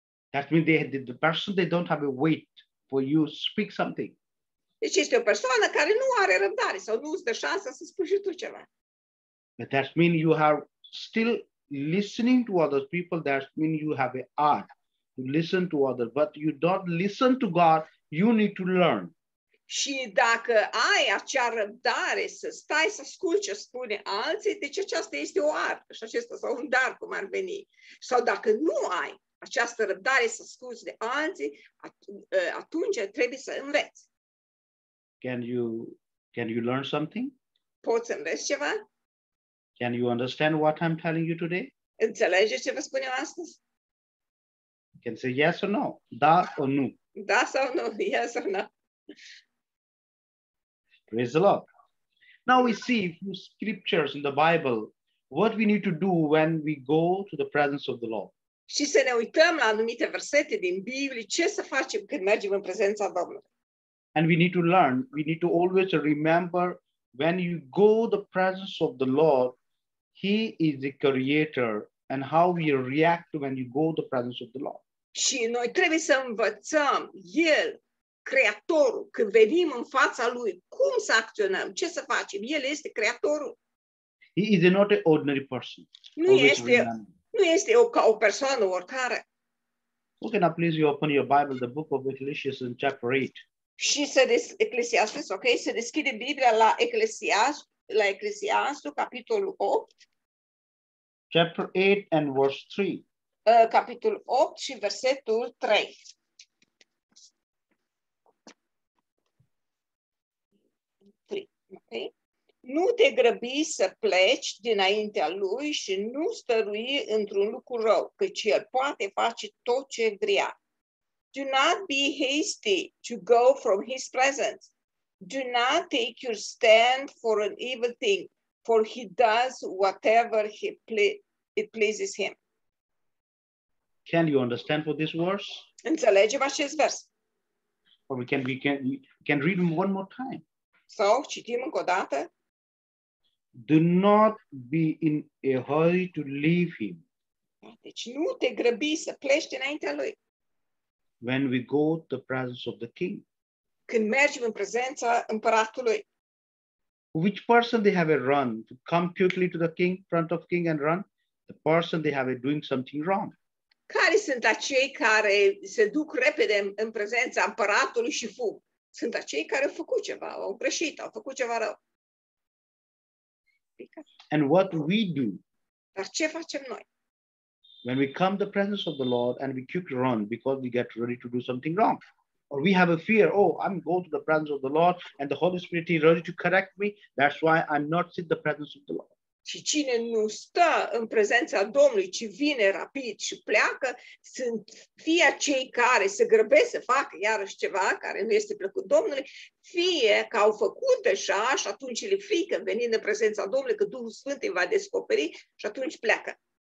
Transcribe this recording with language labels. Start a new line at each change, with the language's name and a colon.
English: That means the person, they don't have a wait for you to speak something.
Romanian: Deci este o persoană care nu are răbdare sau nu îți dă șansa să spui și tu ceva.
English: But that means you are still listening to other people, that means you have an art. To listen to others, but you don't listen to God, you need to learn.
Romanian: Și dacă ai acea răbdare să stai să asculți ce spune alții, deci aceasta este o artă și acesta sau un dar cum ar veni. Sau dacă nu ai această răbdare să asculți de alții, atunci trebuie să înveți.
English: Can you learn something?
Romanian: Poți înveți ceva?
English: Can you understand what I'm telling you today?
Romanian: Înțelegi ce vă spun eu astăzi?
English: Can say yes or no,
Romanian: da
English: or
Romanian: nu. Da sau nu,
English: yes or no. Praise the Lord. Now we see few scriptures in the Bible, what we need to do when we go to the presence of the Lord.
Romanian: Și să ne uităm la anumite versete din Biblie, ce să facem când mergem în prezența Domnului.
English: And we need to learn, we need to always remember, when you go to the presence of the Lord, He is the creator, and how we react when you go to the presence of the Lord.
Romanian: Și noi trebuie să învățăm El, Creatorul, când venim în fața Lui, cum să acționăm, ce să facem. El este Creatorul.
English: He is not an ordinary person.
Romanian: Nu este o persoană oricare.
English: Okay, now please you open your Bible, the book of Ecclesiastes in chapter 8.
Romanian: Și să Ecclesiastes, ok, să deschide Biblia la Ecclesiastes, capitolul 8.
English: Chapter 8 and verse 3.
Romanian: Capitolul 8 și versetul 3.
English: Okay.
Romanian: Nu te grăbi să pleci dinaintea lui și nu stărui într-un lucru rău, căci el poate face tot ce vrea.
English: Do not be hasty to go from his presence. Do not take your stand for an evil thing, for he does whatever it pleases him. Can you understand for this verse?
Romanian: Înțelegem acest vers.
English: Or we can read them one more time.
Romanian: So, citim încă o dată.
English: Do not be in a hurry to leave him.
Romanian: Deci nu te grăbi să pleci înaintea lui.
English: When we go to the presence of the king.
Romanian: Când mergem în prezența împăratului.
English: Which person they have a run to come quickly to the king, front of king and run? The person they have a doing something wrong.
Romanian: Care sunt acei care se duc repede în prezența împăratului și fug? Sunt acei care au făcut ceva, au greșit, au făcut ceva rău.
English: And what we do?
Romanian: Dar ce facem noi?
English: When we come to the presence of the Lord and we quickly run because we get ready to do something wrong. Or we have a fear, oh, I'm going to the presence of the Lord and the Holy Spirit is ready to correct me. That's why I'm not sit the presence of the Lord.
Romanian: Și cine nu stă în prezența Domnului, ci vine rapid și pleacă, sunt fie cei care se grăbesc să facă iarăși ceva care nu este plăcut Domnului, fie că au făcut deja și atunci le frică venind în prezența Domnului, că Duhul Sfânt îi va descoperi și atunci pleacă.